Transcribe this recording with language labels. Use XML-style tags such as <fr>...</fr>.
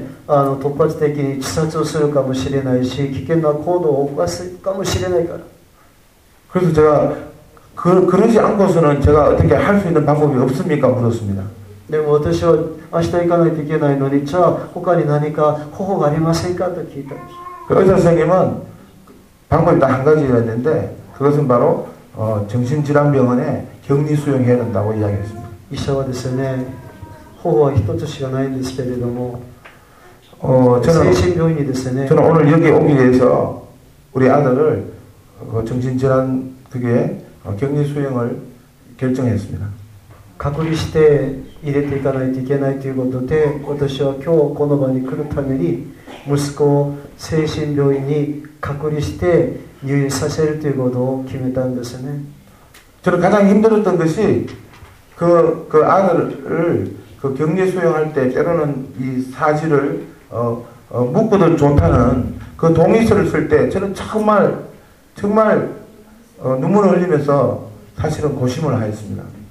<ja>突発的に自殺をするかもしれないし危険な行動を起こすかもしれないから</ja> <ko>그래서 제가 그러지 않고서는 제가 어떻게 할 수 있는 방법이 없습니까? 물었습니다.</ko> <ja>私は明日行かないといけないのに、じゃあ他に何か方法がありませんか?と聞いた。</ja> <ko>그 의사 선생님은 방법이 딱 한 가지였는데 그것은 바로 정신질환병원에 격리 수용해야 된다고 이야기했습니다.</ko> <ja>医者はですね、方法は一つしかないんですけれども 精神病院にですね</ja> <ko>저는 오늘 여기 오기 위해서 우리 아들을 정신질환 그게 격리 수용을 결정했습니다. 격리시대 이래</ko> <ja>ていかないといけないということで、私は今日この場に来るために息子を精神病院に隔離して入院させるということを決めたんですね。</ja> <ko>저는 가장 힘들었던 것이 그 아들을 그 격리 수용할 때 때로는 이 사지를 묶어둔 좋다는 그 동의서를 쓸 때 저는 정말 눈물을 흘리면서 사실은 고심을 하였습니다.</ko>